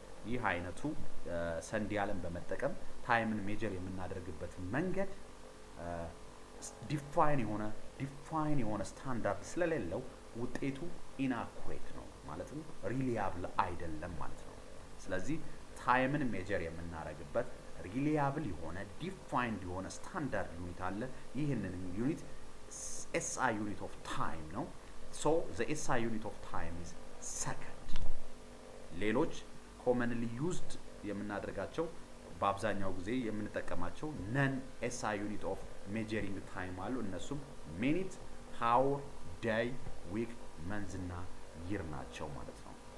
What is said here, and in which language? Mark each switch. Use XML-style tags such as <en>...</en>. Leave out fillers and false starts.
<am>ይህ አይነቱ sundialን በመጠቀም ታይምን ሜጀር የምናደርግበት መንገድ ዲፋይን የሆነ ስታንዳርድ ስለሌለው ውጤቱ inaccurate ነው ማለትም reliable አይደለም ማለት ነው ስለዚህ ታይምን ሜጀር የምናረግበት reliable የሆነ ዲፋይንድ የሆነ ስታንዳርድ ዩኒት አለ ይሄንን ዩኒት</am> <en>SI unit of time, no? So the SI unit of time is second.</en> <am>ሌሎች commonly used የምናደርጋቸው በአብዛኛው ጊዜ የምንጠቀማቸው</am> <en>non SI unit of measuring time</en> <am>አሉ። እነሱም minute, hour, day, week, month እና year ናቸው ማለት ነው።</am>